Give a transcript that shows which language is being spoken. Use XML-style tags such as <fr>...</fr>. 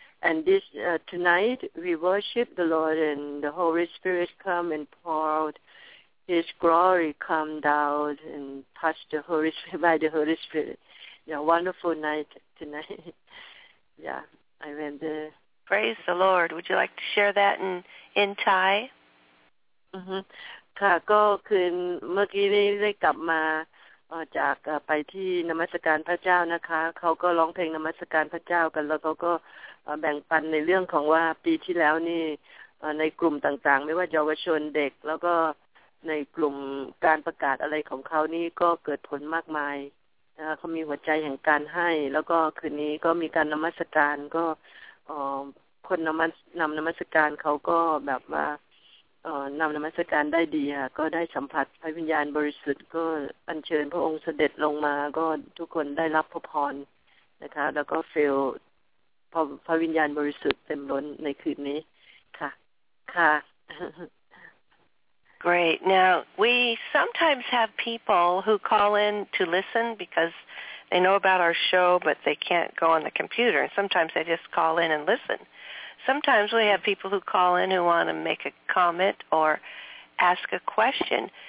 <en>And this tonight, we worship the Lord, and the Holy Spirit come and pour out His glory, come down and touch the Holy Spirit by the Holy Spirit. Yeah, wonderful night tonight. Yeah, I went there. Praise the Lord. Would you like to share that in Thai?</en> <th>Ka ko khun meu ki ni dai kap ma จากไปที่นมัสการพระเจ้านะคะเขาก็ร้องเพลงนมัสการพระเจ้ากันแล้วเขาก็แบ่งปันในเรื่องของว่าปีที่แล้วนี่ในกลุ่มต่างๆไม่ว่าเยาวชนเด็กแล้วก็ในกลุ่มการประกาศอะไรของเขานี่ก็เกิดผลมากมายนะคะเขามีหัวใจแห่งการให้แล้วก็คืนนี้ก็มีการนมัสการก็ คนนมัสการเขาก็แบบว่านำนมัสการได้ดีค่ะก็ได้สัมผัสพระวิญญาณบริสุทธิ์ก็อัญเชิญพระองค์เสด็จลงมาก็ทุกคนได้รับพระพรนะคะแล้วก็ฟิลพระวิญญาณบริสุทธิ์เต็มล้นในคืนนี้ค่ะค่ะ</th> <en>Great. Now, we sometimes have people who call in to listen because they know about our show, but they can't go on the computer. And sometimes they just call in and listen. Sometimes we have people who call in who want to make a comment or ask a question.</en>